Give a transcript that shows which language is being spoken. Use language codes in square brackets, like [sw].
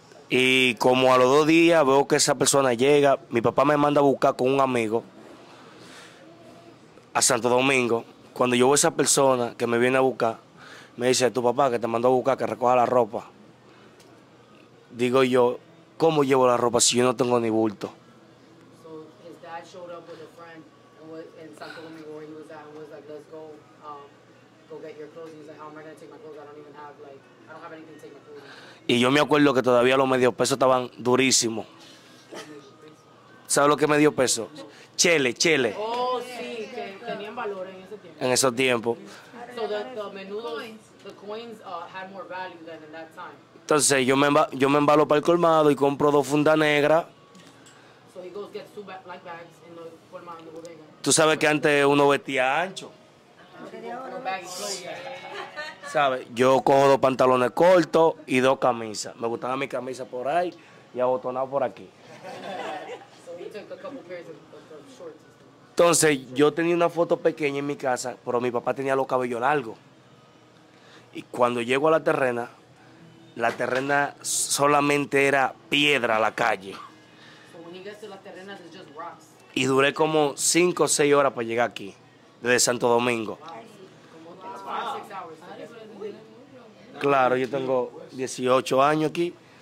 [es] Y como a los 2 días veo que esa persona llega, mi papá me manda a buscar con un amigo a Santo Domingo. Cuando yo veo a esa persona que me viene a buscar, me dice, tu papá que te mandó a buscar, que recoja la ropa. Digo yo, ¿cómo llevo la ropa si yo no tengo ni bulto? [en] So his dad showed up with a friend in Santo Domingo where he was at and was like, let's go, go get your clothes. He's like, how am I going to take my clothes? I don't have anything to take my clothes. [es] Y yo me acuerdo que todavía los medios pesos estaban durísimos. ¿Sabes lo que medio peso? Chele, chele. Oh, sí, que tenían valor en ese tiempo. En esos tiempos. [en] So the coins had more value than in that time. [es] Entonces yo me embalo para el colmado y compro 2 fundas negras. [en] So he goes gets 2 black bags in the colmado de bodega. [es] Tú sabes que antes uno vestía ancho. ¿Sabes? Yo cojo 2 pantalones cortos y 2 camisas. Me gustaba mi camisa por ahí y abotonado por aquí. Entonces, yo tenía una foto pequeña en mi casa, pero mi papá tenía los cabellos largos. Y cuando llego a la terrena, La Terrena solamente era piedra a la calle. [en] So when you get to La Terrena, it's just rocks. [es] Y duré como 5 o 6 horas para llegar aquí, desde Santo Domingo. Claro, yo tengo 18 años aquí.